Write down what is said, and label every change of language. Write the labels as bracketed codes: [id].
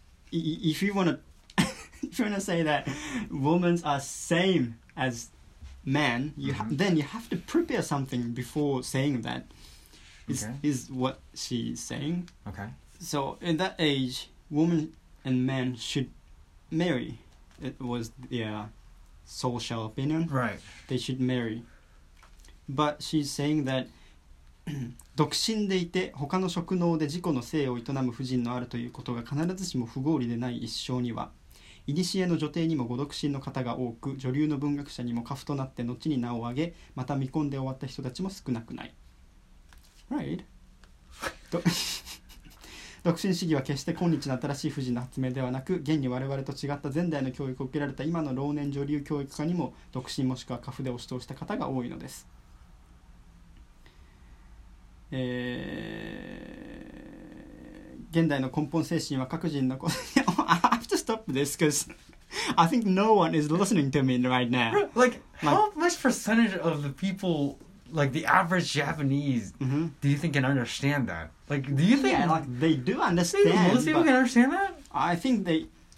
[en] If you want to if you want to say that women are same as men, you then you have to prepare something before saying that. Is what she's saying. Okay. So in that age, women and men should marry. It was their social opinion. Right. They should marry. But she's saying that [ja] 独身でいて他の職能で自己の性を営む婦人のあるということが必ずしも不合理でない一生には、いにしえの女帝にもご独身の方が多く、女流の文学者にも家父となって後に名を挙げ、また未婚で終わった人たちも少なくない。 [en] Right. [ja] 独身主義は決して今日の新しい婦人の発明ではなく、現に我々と違った前代の教育を受けられた今の老年女流教育家にも独身もしくは家父で押し通した方が多いのです。現代の根本精神は各人のこと。 [en] I have to stop this because I think no one is listening to me right now. Like, how much percentage of the people, like the average Japanese, do you think can understand that? Like, do you think? Yeah, like they do understand. Most people can understand that? I think they.